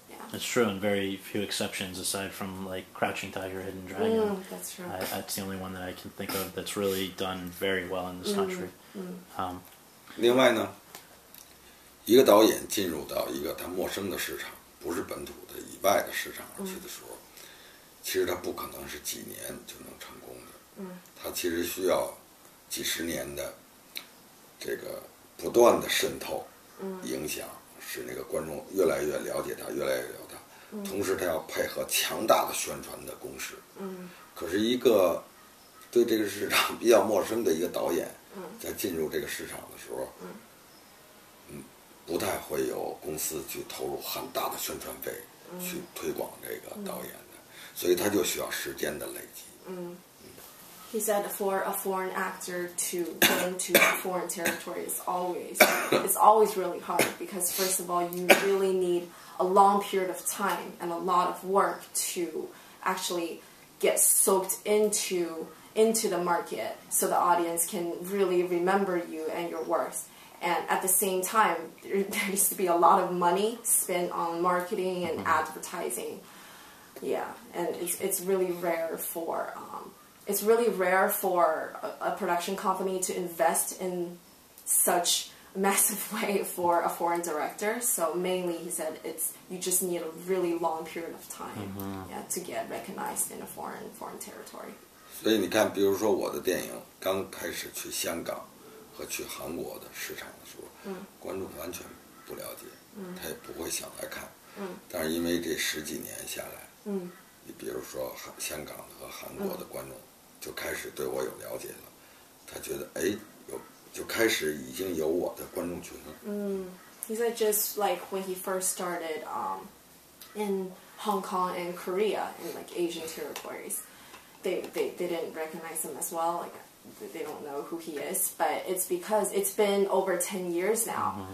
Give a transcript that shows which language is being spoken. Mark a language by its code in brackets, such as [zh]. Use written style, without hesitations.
[en] That's true, and very few exceptions aside from like Crouching Tiger, Hidden Dragon. Mm, that's true. That's the only one that I can think of that's really done very well in this country. Mm, mm. [zh] 另外呢，一个导演进入到一个他陌生的市场，不是本土的以外的市场去的时候、嗯，其实他不可能是几年就能成功的。嗯，他其实需要几十年的这个不断的渗透、嗯、影响。使那个观众越来越了解他，越来越了解他、嗯、同时他要配合强大的宣传的攻势、嗯、可是一个对这个市场比较陌生的一个导演、嗯、在进入这个市场的时候嗯, 嗯，不太会有公司去投入很大的宣传费去推广这个导演的、嗯、所以他就需要时间的累积 [en] 嗯, 嗯 He said for a foreign actor to go into foreign territory is always really hard because first of all, you really need a long period of time and a lot of work to actually get soaked into the market so the audience can really remember you and your works. And at the same time, there needs to be a lot of money spent on marketing and advertising. Yeah, and it's really rare for... It's really rare for a production company to invest in such a massive way for a foreign director. So mainly, he said, it's, you just need a really long period of time、 mm-hmm. yeah, to get recognized in a foreign territory. [zh] 所以你看，比如说我的电影刚开始去香港和去韩国的市场的时候，观众完全不了解，他也不会想来看。但是因为这十几年下来，你比如说香港和韩国的观众就开始对我有了解了，他觉得哎，有就开始已经有我的观众群了。 [en] 嗯、he said just like when he first started in Hong Kong and Korea in like Asian territories, they didn't recognize him as well. Like they don't know who he is. But it's because it's been over 10 years now.、